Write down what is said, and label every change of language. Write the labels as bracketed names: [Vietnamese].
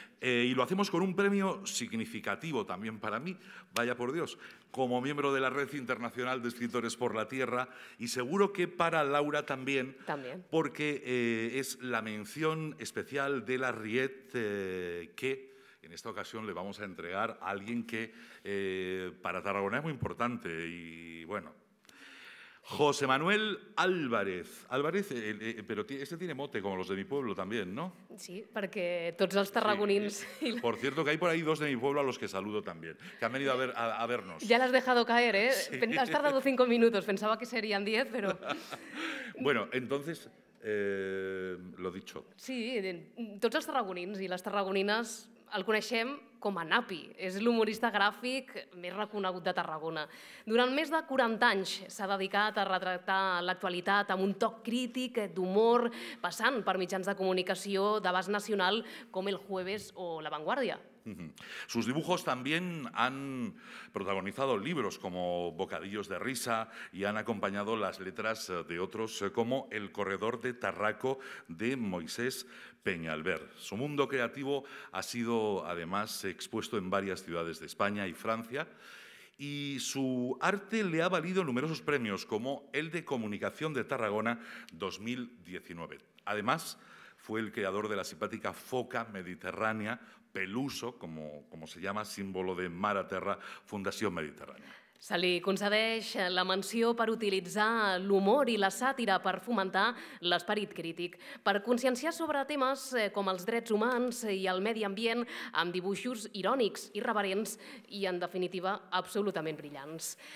[Spanish] Y lo hacemos con un premio significativo también para mí, vaya por Dios, como miembro de la Red Internacional de Escritores por la Tierra, y seguro que para Laura también, porque es la mención especial de la RIET que en esta ocasión le vamos a entregar a alguien que para Tarragona es muy importante y bueno. José Manuel Álvarez. Álvarez, pero este tiene mote como los de mi pueblo también, ¿no? Sí, porque [Catalan] tots els tarragonins... [Spanish] Sí. Por cierto, que hay por ahí dos de mi pueblo a los que saludo también, que han venido a vernos. Ya las has dejado caer, ¿eh? Sí. Has tardado 5 minutos, pensaba que serían 10, pero... Bueno, entonces, lo dicho. [Catalan] Sí, tots els tarragonins i les tarragonines el coneixem com a Napi, és l'humorista gràfic més reconegut de Tarragona. Durant més de 40 anys s'ha dedicat a retratar l'actualitat amb un toc crític d'humor, passant per mitjans de comunicació d'abast nacional com El Jueves o La Vanguardia. [Spanish] Sus dibujos también han protagonizado libros como Bocadillos de risa y han acompañado las letras de otros como El corredor de Tarraco de Moisés Peñalver. Su mundo creativo ha sido además expuesto en varias ciudades de España y Francia y su arte le ha valido numerosos premios como el de Comunicación de Tarragona 2019. Además, fue el creador de la simpática foca mediterránea Peluso, como se llama, símbolo de Mar a Terra, Fundación Mediterránea. [Catalan] Se li concedeix la menció per utilitzar l'humor i la sàtira per fomentar l'esperit crític, per conscienciar sobre temes com els drets humans i el medi ambient amb dibuixos irònics, irreverents i, en definitiva, absolutament brillants.